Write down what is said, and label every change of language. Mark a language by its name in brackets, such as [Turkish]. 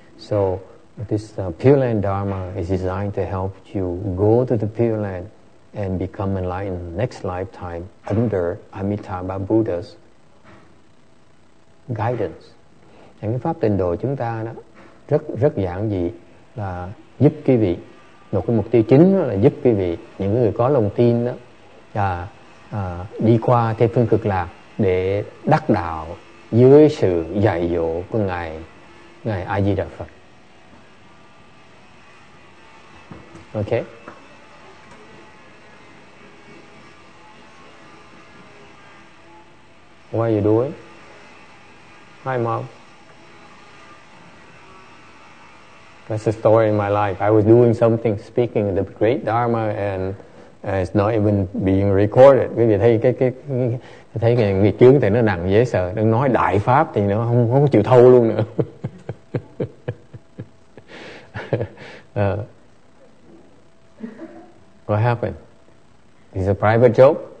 [English] So this Pure Land Dharma is designed to help you go to the Pure Land and become enlightened next lifetime under Amitabha Buddha's guidance. [Vietnamese] Những cái pháp tịnh độ chúng ta đó rất rất giản dị, là giúp quý vị, một cái mục tiêu chính là giúp quý vị, những người có lòng tin đó, đi qua Tây Phương Cực Lạc để đắc đạo dưới sự dạy dỗ của ngài A Di Đà Phật. [English] Ok. What are you doing? Hi mom. That's a story in my life. I was doing something, speaking the great Dharma, and it's not even being recorded. [Vietnamese] Quý vị thấy cái nghiệp chướng thì nó nặng dễ sợ. Đừng nói đại pháp thì nó không chịu thâu luôn nữa. [English] What happened? Is it a private joke?